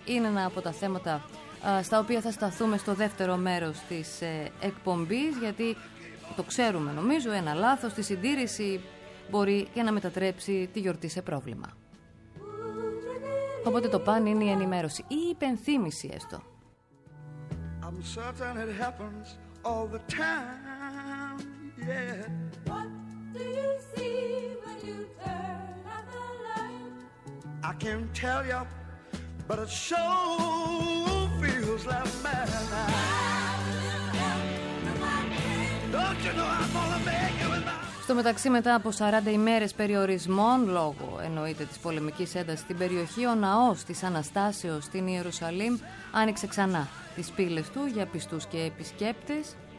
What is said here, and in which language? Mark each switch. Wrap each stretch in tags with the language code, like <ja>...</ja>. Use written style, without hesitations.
<el>Είναι ένα από τα θέματα στα οποία θα σταθούμε στο δεύτερο μέρος της εκπομπής, γιατί το ξέρουμε νομίζω, ένα λάθος στη συντήρηση μπορεί και να μετατρέψει τη γιορτή σε πρόβλημα. Οπότε το παν είναι η ενημέρωση ή η υπενθύμηση έστω.</el> <en>I'm certain it happens all the time, yeah. What do you see when you turn out the light? I can't tell you, but it sure feels like mad. Don't you know I'm gonna make you with my...</en> <el>Στο μεταξύ, μετά από 40 ημέρες περιορισμών, λόγω εννοείται της πολεμικής έντασης στην περιοχή, ο ναός της Αναστάσεως στην Ιερουσαλήμ άνοιξε ξανά τις πύλες του για πιστούς και επισκέπτες.</el>